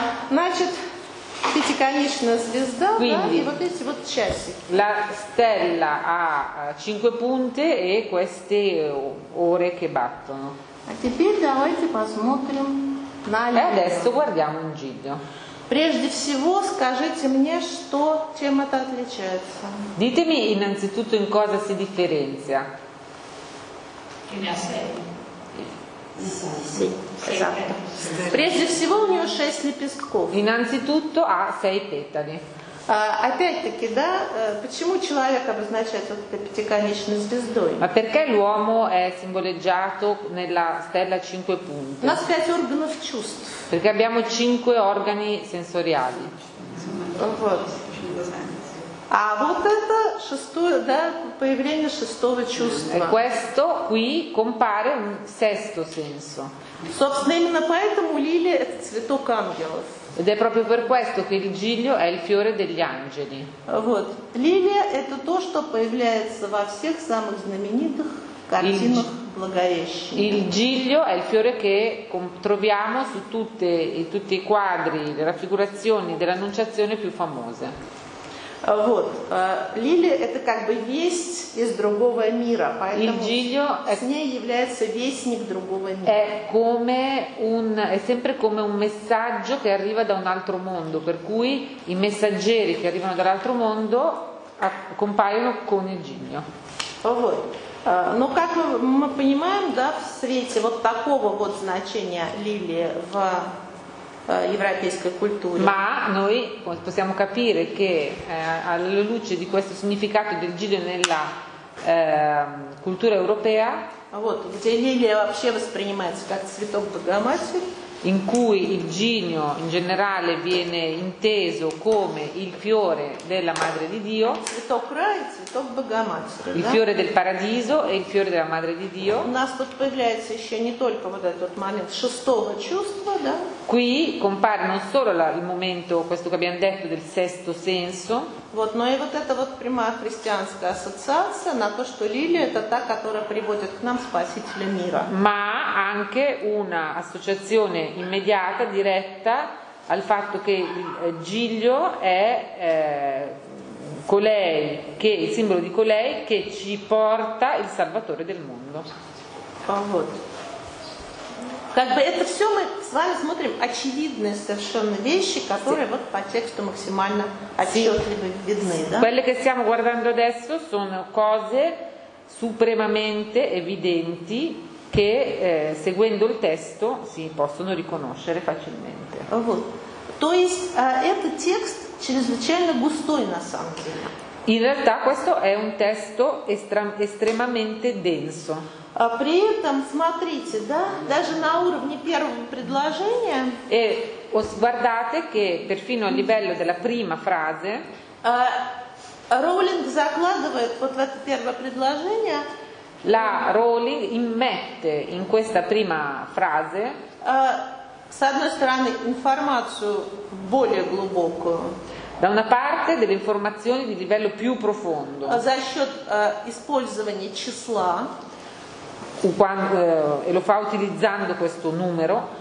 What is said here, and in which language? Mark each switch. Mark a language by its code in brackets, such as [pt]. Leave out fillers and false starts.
[ru] Значит, пятиконечная звезда, quindi, да? И вот эти вот часики. [it] La stella ha cinque punte e queste ore che battono. [ru] А теперь давайте посмотрим на Лилию. [it] E adesso guardiamo un giglio. [ru] Прежде всего, скажите мне, что чем это отличается? [it] Ditemi innanzitutto in cosa si differenzia. Che ne ha sei? Esatto. [ru] Прежде всего, у нее шесть лепестков. [it] Innanzitutto ha sei petali. [ru] Опять-таки, да, почему человек обозначает вот этой пятиконечной звездой? [it] Ma perché l'uomo è simboleggiato nella stella a cinque punte? [ru] У нас пять органов чувств. [it] Perché abbiamo cinque organi sensoriali. [ru] А вот это шестое, да, появление шестого чувства. [it] E questo qui compare un sesto senso. [ru] Собственно, именно поэтому лили это цветок ангелов. [it] Ed è proprio per questo che il giglio è il fiore degli angeli. [ru] Вот. Лилия – это то, что появляется во всех самых знаменитых картинах Благовещения. [it] Il giglio è il fiore che troviamo su tutti i quadri, le raffigurazioni dell'Annunciazione più famose. [ru] Вот. Лилия – это как бы весть из другого мира, поэтому [it] il giglio [ru] с ней является вестник другого мира. [it] È come un, è sempre come un messaggio che arriva da un altro mondo, per cui i messaggeri che arrivano dall'altro mondo compaiono con il giglio. [ru] Вот. Ну, как мы понимаем, да, в свете вот такого вот значения лилии в европейской культуре. [it] Ma noi possiamo capire che alla luce di questo significato del giglio nella cultura europea, [ru] вот, где лилия вообще воспринимается как цветок Богоматери, [it] in cui il giglio in generale viene inteso come il fiore della Madre di Dio, [ru] цветок рай, цветок Богоматери, [it] il fiore del paradiso e il fiore della Madre di Dio. [ru] У нас тут появляется еще не только вот этот момент шестого чувства, да? [it] Qui compare non solo il momento, questo che abbiamo detto, del sesto senso. [ru] Вот, но и вот эта вот прямая христианская ассоциация на то, что лилия это та, которая приводит к нам спасителя мира. [it] Ma anche una associazione immediata, diretta al fatto che il giglio è colei che il simbolo di colei che ci porta il salvatore del mondo. [ru] Вот. Как бы это все мы с вами смотрим очевидные совершенно вещи, которые вот по тексту максимально отчетливо видны, да? [it] Quelle che stiamo guardando adesso sono cose supremamente evidenti che seguendo il testo si possono riconoscere facilmente. [ru] Вот. То есть этот текст чрезвычайно густой на самом деле. [it] In realtà questo è un testo estremamente denso. [ru] При этом, смотрите, да, даже на уровне первого предложения. [it] E guardate che perfino a livello della prima frase. [ru] Роулинг закладывает вот в это первое предложение. [it] La Rowling immette in questa prima frase. [ru] С одной стороны, информацию более глубокую. [it] Da una parte delle informazioni di livello più profondo. [ru] За счет использования числа. [it] Quando, e lo fa utilizzando questo numero.